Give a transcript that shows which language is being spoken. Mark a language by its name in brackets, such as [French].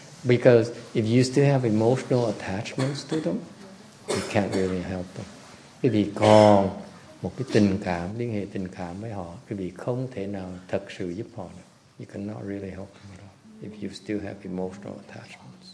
[English] Because if you still have emotional attachments to them, you can't really help them. [Vietnamese] Quý vị còn một cái tình cảm, liên hệ tình cảm với họ, quý vị không thể nào thật sự giúp họ được. [English] You cannot really help them at all if you still have emotional attachments.